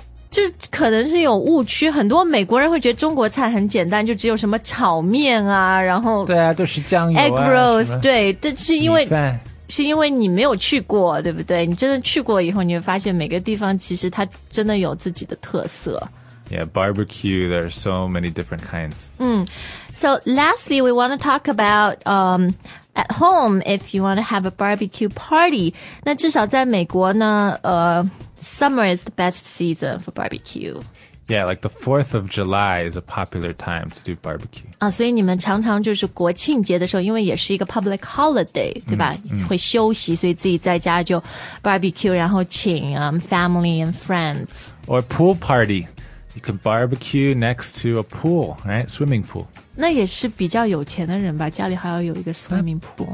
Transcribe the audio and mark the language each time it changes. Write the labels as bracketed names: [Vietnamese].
[Chinese] 就可能是有误区，很多美国人会觉得中国菜很简单，就只有什么炒面啊，然后对啊，都是酱油啊，egg rolls， 对，但是因为。是因为你没有去过，对不对？你真的去过以后，你会发现每个地方其实它真的有自己的特色。 [English] Yeah, barbecue, there are so many different kinds. So lastly, we want to talk about at home, if you want to have a barbecue party. [Chinese] 那至少在美国呢 [English] summer is the best season for barbecue. Yeah, like the 4th of July is a popular time to do barbecue. [Chinese] 啊，所以你们常常就是国庆节的时候，因为也是一个 public holiday, 对吧？Mm-hmm. 会休息，所以自己在家就 barbecue, 然后请 [English] family and friends. Or pool party. You can barbecue next to a pool, right? Swimming pool. [Chinese] 那也是比较有钱的人吧，家里还要有一个 swimming pool.